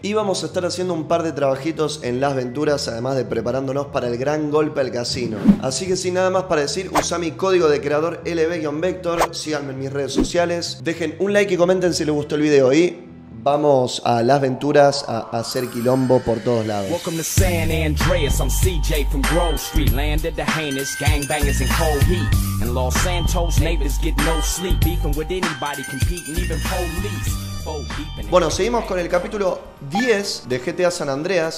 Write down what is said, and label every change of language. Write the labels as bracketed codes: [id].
[es] Y vamos a estar haciendo un par de trabajitos en las aventuras, además de preparándonos para el gran golpe al casino. Así que sin nada más para decir, usa mi código de creador LB-Vector, síganme en mis redes sociales, dejen un like y comenten si les gustó el video y vamos a las aventuras a hacer quilombo por todos lados. [en] Welcome to San Andreas, I'm CJ from Grove Street, landed the heinous gangbangers in cold heat, and Los Santos neighbors get no sleep, beefing with anybody, competing even police. [es] Bueno, seguimos con el capítulo 10 de GTA San Andreas.